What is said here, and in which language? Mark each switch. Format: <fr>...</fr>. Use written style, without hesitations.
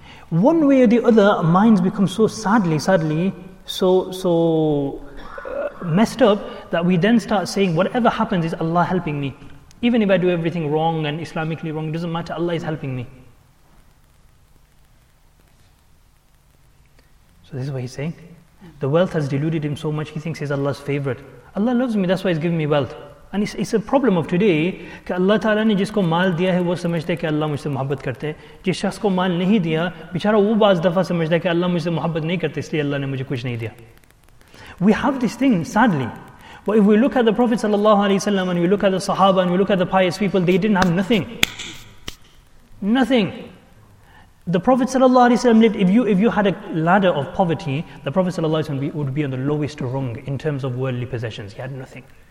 <en>One way or the other, minds become so sadly, so messed up that we then start saying whatever happens is Allah helping me. Even if I do everything wrong and Islamically wrong, it doesn't matter, Allah is helping me. So this is what he's saying. The wealth has deluded him so much, he thinks he's Allah's favorite. Allah loves me, that's why he's giving me wealth. And it's a problem of today</en> <ur>کہ اللہ تعالیٰ نے جسکو مال دیا ہے وہ سمجھتا ہے کہ اللہ مجھسے محبت کرتے ہے. جس شخص کو مال نہیں دیا، بیچارہ وہ بعض دفعہ سمجھتا ہے کہ اللہ مجھسے محبت نہیں کرتے، اسلئے اللہ نے مجھے کچھ نہیں دیا.</ur> <en>We have this thing, sadly. But if we look at the Prophet sallallahu alaihi wasallam and we look at the Sahaba and we look at the pious people, they didn't have nothing. Nothing. The Prophet sallallahu alaihi wasallam lived, if you had a ladder of poverty, the Prophet sallallahu alaihi wasallam would be on the lowest rung in terms of worldly possessions. He had nothing.</en>